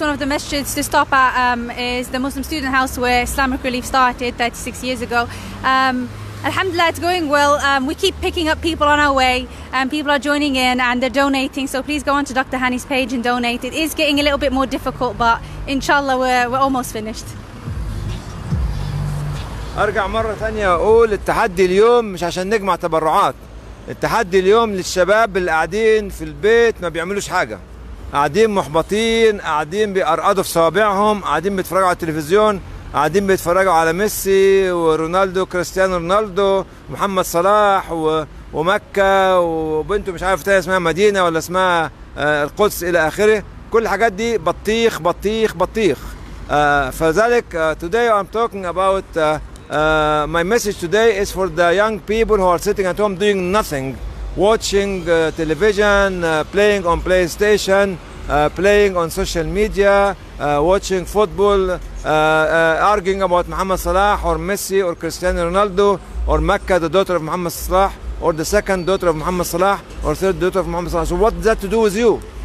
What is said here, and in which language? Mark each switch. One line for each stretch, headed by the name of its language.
English: One of the masjids to stop at is the Muslim Student House where Islamic Relief started 36 years ago. Alhamdulillah, it's going well. We keep picking up people on our way and people are joining in and they're donating. So please go on to Dr. Hani's page and donate. It is getting a little bit more difficult, but inshallah, we're almost finished.
Arabic: أرجع مرة ثانية أقول التحدي اليوم مش عشان نجمع تبرعات. التحدي اليوم للشباب اللي قاعدين في البيت ما بيعملوش حاجة. قاعدين محبطين، قاعدين بيقرقدوا في صوابعهم، قاعدين بيتفرجوا على التلفزيون، قاعدين بيتفرجوا على ميسي ورونالدو كريستيانو رونالدو محمد صلاح ومكة وبنته مش عارف تاني اسمها مدينة ولا اسمها القدس إلى آخره. كل الحاجات دي بطيخ بطيخ بطيخ.
English: فذلك today I'm talking about my message today is for the young people who are sitting at home doing nothing, watching television, playing on PlayStation, playing on social media, watching football, arguing about Muhammad Salah or Messi or Cristiano Ronaldo or Mecca, the daughter of Muhammad Salah, or the second daughter of Muhammad Salah, or third daughter of Muhammad Salah. So what does that to do with you?